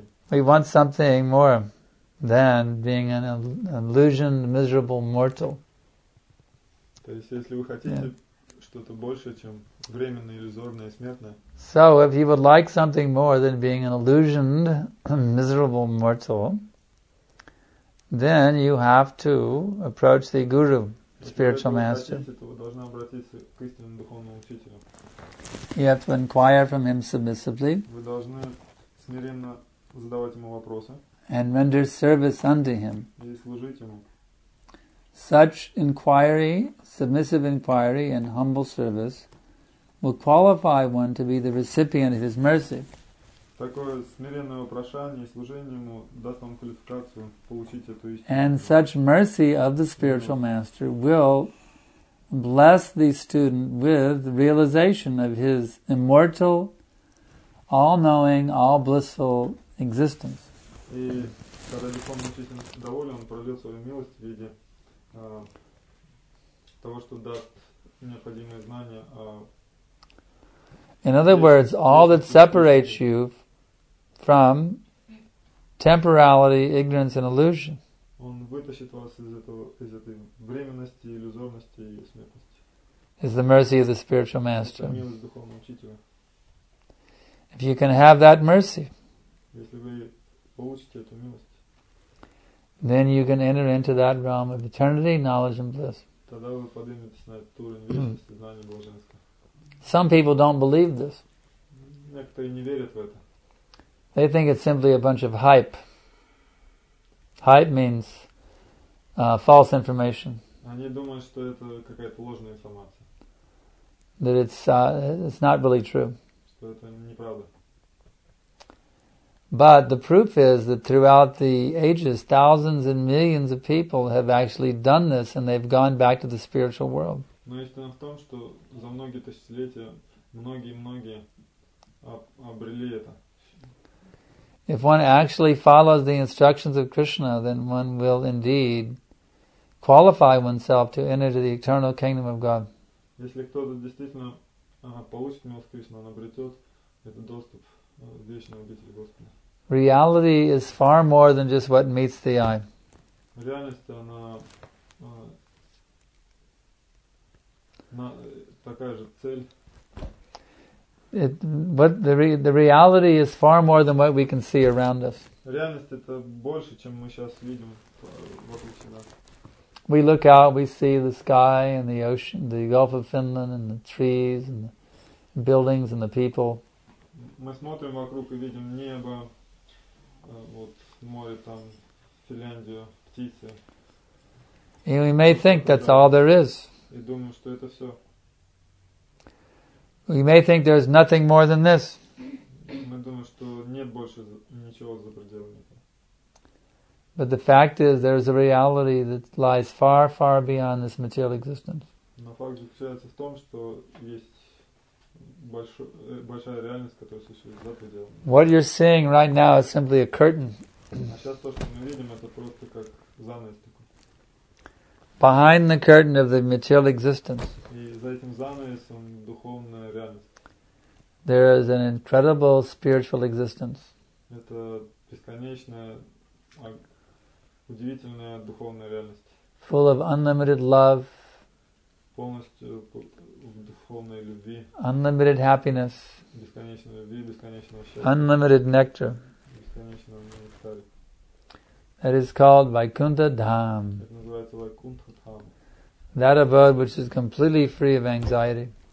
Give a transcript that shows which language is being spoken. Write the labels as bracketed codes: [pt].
[en] We want something more than being an illusioned, miserable mortal. [ru] То есть, если вы хотите что-то больше, чем временное, иллюзорное, смертное. [en] So, if you would like something more than being an illusioned, miserable mortal, then you have to approach the guru, spiritual master. [ru] Если вы хотите, то вы должны обратиться к истинному духовному учителю. [en] You have to inquire from him submissively. [ru] Вы должны смиренно задавать ему вопросы. [en] And render service unto him. [ru] И служить ему. [en] Such inquiry, submissive inquiry, and humble service will qualify one to be the recipient of his mercy. [ru] Такое смиренное упрошение, служение ему даст вам квалификацию получить эту истину. [en] And such mercy of the spiritual master will bless the student with realization of his immortal, all-knowing, all-blissful existence. [ru] И когда духовный учитель доволен, он прольет свою милость в виде того, что даст необходимые знания. [en] In other words, all that separates you from temporality, ignorance, and illusion. [ru] Он вытащит вас из этого, из этой временности, иллюзорности и смертности. [en] Is the mercy of the spiritual master. [ru] Это милость духовного учителя. [en] If you can have that mercy, [ru] если вы получите эту милость, [en] then you can enter into that realm of eternity, knowledge, and bliss. [ru] Тогда вы подниметесь на этот уровень вечности, знания, блаженства. [en] Some people don't believe this. [ru] Некоторые не верят в это. [en] They think it's simply a bunch of hype. Hype means false information. [ru] Они думают, что это какая-то ложная информация. [en] That it's not really true. [ru] Что это неправда. [en] But the proof is that throughout the ages, thousands and millions of people have actually done this, and they've gone back to the spiritual world. [ru] Но истина в том, что за многие тысячелетия многие обрели это. [en] If one actually follows the instructions of Krishna, then one will indeed qualify oneself to enter the eternal kingdom of God. [ru] Если кто-то действительно получит милость Кришны, он обретет этот доступ в вечный обитель Господа. [en] Reality is far more than just what meets the eye. [ru] Реальность, она такая же цель. [en] But the reality is far more than what we can see around us. [ru] Реальность — это больше, чем мы сейчас видим вокруг себя. [en] We look out, we see the sky and the ocean, the Gulf of Finland and the trees and the buildings and the people. [ru] Мы смотрим вокруг и видим небо, вот море там, Финляндию, птицы. [en] And we may think that's all there is. [ru] И думаем, что это все. [en] We may think there's nothing more than this. [ru] Мы думаем, что нет больше ничего за пределами этого. [en] But the fact is, there is a reality that lies far, far beyond this material existence. [ru] Но факт заключается в том, что есть большая реальность, которая существует за пределами. [en] What you're seeing right now is simply a curtain. [ru] А сейчас то, что мы видим, это просто как занавес такой. [en] Behind the curtain of the material existence. [ru] За этим занавесом духовная реальность. [en] There is an incredible spiritual existence. [ru] Это бесконечная, удивительная духовная реальность. [en] Full of unlimited love. [ru] Полностью в духовной любви. [en] Unlimited happiness. [ru] Бесконечной любви, бесконечного счастья. [en] Unlimited nectar. [ru] Бесконечного нектара. [en] That is called Vaikuntha Dham. [ru] Это называется Вайкунтха Дхам. [en] That abode which is completely free of anxiety.